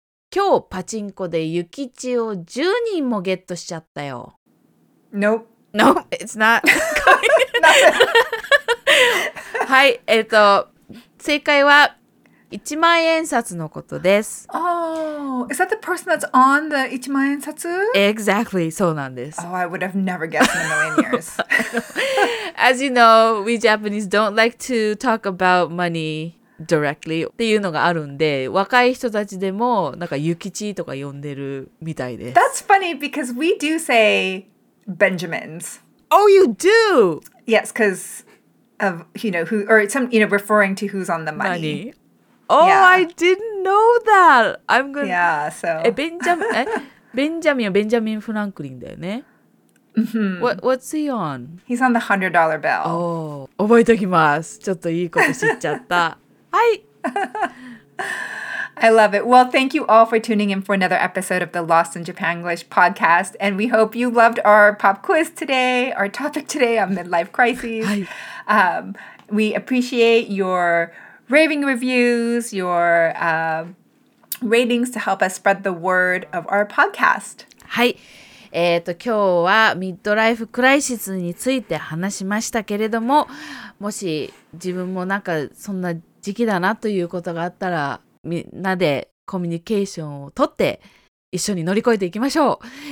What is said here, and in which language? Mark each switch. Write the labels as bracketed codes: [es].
[ja] 今日パチンコでユキチを10人もゲットしちゃったよ。 [en] Nope. Nope, it's not. [ja] はい、正解は一万円札のことです。 [en] Oh, is that the person that's on the 一万円札? Exactly, [ja] そうなんです。 [en] Oh, I would have never guessed in a million years. As you know, we Japanese don't like to talk about money directly. [ja] っていうのがあるんで、若い人たちでもなんかユキチとか呼んでるみたいです。 [en] That's funny because we do say Benjamins. Oh, you do? Yes, because... of, you know, who, or some, you know, referring to who's on the money. Money. Oh, yeah. I didn't know that. I'm going to... Yeah, so... Benjamin, Benjamin Franklin, [ja] だよね? [en] Mm-hmm. What's he on? He's on the $100 bill. [ja] Oh, 覚えておきます。ちょっといいこと知っちゃった。はい。 [en] I love it. Well, thank you all for tuning in for another episode of the Lost in Japan English podcast. And we hope you loved our pop quiz today, our topic today on midlife crises. [ja] はい。 [en] We appreciate your raving reviews, your ratings to help us spread the word of our podcast. [ja] はい。今日はミッドライフクライシスについて話しましたけれども、もし自分もなんかそんな時期だなということがあったら、みんなでコミュニケーションをとって一緒に乗り越えていきましょう。